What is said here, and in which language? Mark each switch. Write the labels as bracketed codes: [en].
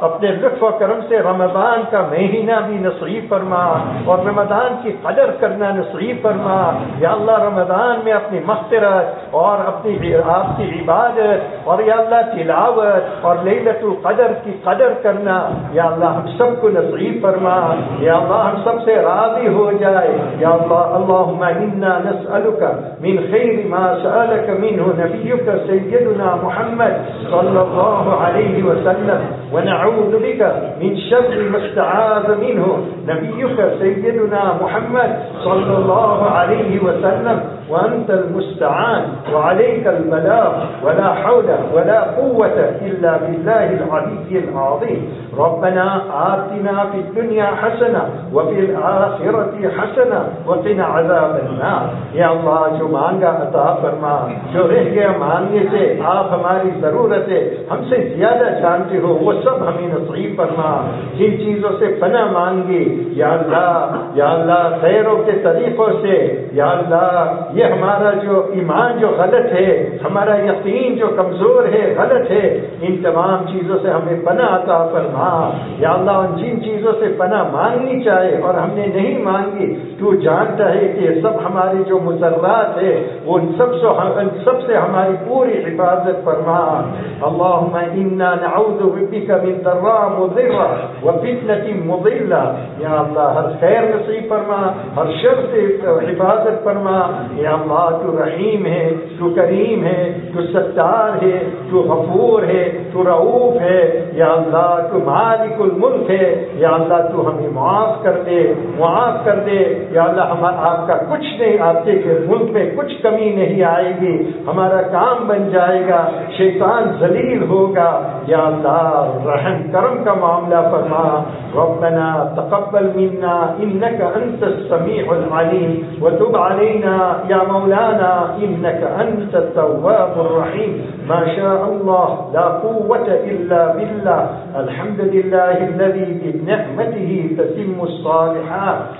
[ur] اپنے لطف و کرم سے رمضان کا مہینہ بھی نصیب فرما اور رمضان کی قدر کرنا نصیب فرما. یا اللہ رمضان میں اپنی مغفرت اور اپنی آپ کی عبادت اور یا اللہ تلاوت اور لیلۃ القدر کی قدر کرنا یا اللہ ہم سب کو نصیب فرما. یا اللہ ہم سب سے راضی ہو جائے. [ar] یا اللہ اللہم انا نسألک من خیر ما سألک منه نبیک سیدنا محمد صلی اللہ علیہ وسلم ونعوذ بك من شر ما استعاذ منه نبيك سيدنا محمد صلى الله عليه وسلم وأنت المستعان وعليك البلاغ ولا حول ولا قوة إلا بالله العلي العظيم. ربنا آتنا في الدنيا حسنة وفي الآخرة حسنة وقنا عذاب النار. [ur] يا الله جو مانگا عطا فرما جو رہ گیا مانگنے سے آپ ہماری ضرورتیں ہم سے زیادہ جانتے ہو وہ سب ہمیں نصیب فرما. جن چیزوں سے پناہ مانگی یا اللہ خیروں کے طریقوں سے یا اللہ یہ ہمارا جو ایمان جو غلط ہے ہمارا یقین جو کمزور ہے غلط ہے ان تمام چیزوں سے ہمیں پناہ عطا فرما. یا اللہ ان جن چیزوں سے پناہ مانگنی چاہے اور ہم نے نہیں مانگی تو جانتا ہے کہ سب ہماری جو مضرات ہے وہ ان سب سے ہماری پوری حفاظت فرما. [ar] اللہم انا نعوذ بک من ضراء مضر وفتنة مضلة. [ur] یا اللہ ہر خیر نصیب فرما ہر شر سے حفاظت فرما. یا اللہ تو رحیم ہے تو کریم ہے تو ستار ہے تو غفور ہے تو رؤوف ہے. یا اللہ تو مالک الملک ہے. یا اللہ تو ہمیں معاف کر دے. یا اللہ ہمارا آپ کا کچھ نہیں آپ کے ملک میں کچھ کمی نہیں آئے گی ہمارا کام بن جائے گا شیطان ذلیل ہوگا. یا اللہ رحم کرم کا معاملہ فرما. [ar] ربنا تقبل منا انك انت السميع العليم وتب علينا يا مولانا انك انت التواب الرحيم. ما شاء الله لا قوة الا بالله. الحمد لله الذي بنعمته تتم الصالحات.